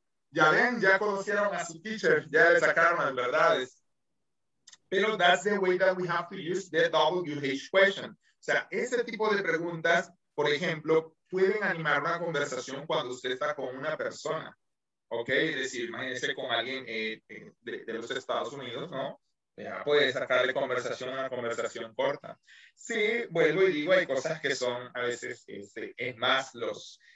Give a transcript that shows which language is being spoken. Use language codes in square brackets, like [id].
[es] Ya ven, ya conocieron a su teacher, ya le sacaron las verdades. Pero [en] that's the way that we have to use the WH question. [es] O sea, ese tipo de preguntas, por ejemplo, pueden animar una conversación cuando usted está con una persona. ¿Ok? Es decir, imagínese con alguien de los Estados Unidos, ¿no? Ya puede sacarle conversación a una conversación corta. Sí, vuelvo y digo, hay cosas que son a veces, es más los...